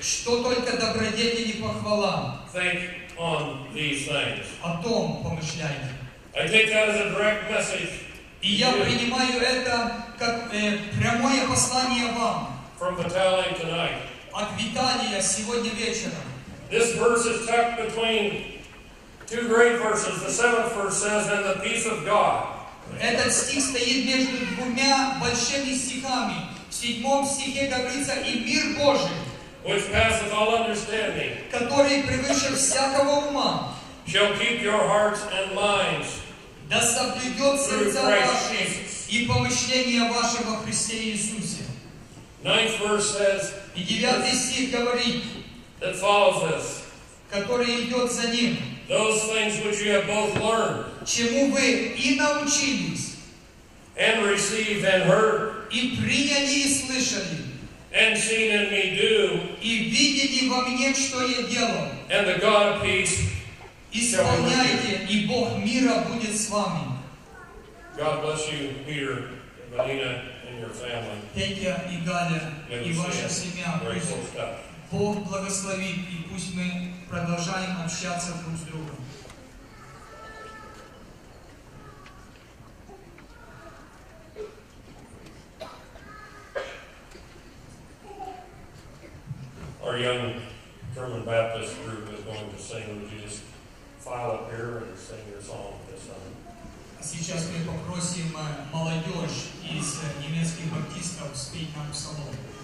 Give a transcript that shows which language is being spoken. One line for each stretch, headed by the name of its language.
Russian: Что только добродетель и похвала.
English: Think on these things.
Russian: О том помышляйте.
English: I take that as a direct message.
Russian: И я принимаю это как прямое послание вам.
English: From Vitaly tonight.
Russian: От Виталия сегодня вечером.
English: This verse is tucked between two great verses. The seventh verse says, "And the peace of God."
Russian: Этот стих стоит между двумя большими стихами. В седьмом стихе говорится, "И мир Божий."
English: Which passeth all understanding.
Russian: Который превыше всякого ума.
English: Shall keep your hearts and minds.
Russian: Да соблюдет сердца ваши и помышления ваши во Христе Иисусе.
English: Ninth verse says.
Russian: И девятый стих говорит.
English: That follows this.
Russian: Который идет за ним.
English: Those things which you have both learned.
Russian: Чему вы и научились.
English: And received and heard.
Russian: И приняли и слышали.
English: And seen in me do.
Russian: И видели во мне, что я делал.
English: And the God of peace.
Russian: Исполняйте, и Бог мира будет с вами.
English: God bless you, Peter, Valina, and your family.
Russian: Петя и Галя, и ваша семья. Бог благословит, и пусть мы продолжаем общаться друг с другом.
English: Our young German Baptist group is going to sing. Would you just file up here and sing your song with us?
Russian: Сейчас мы попросим молодежь из немецких баптистов спеть нам псалом.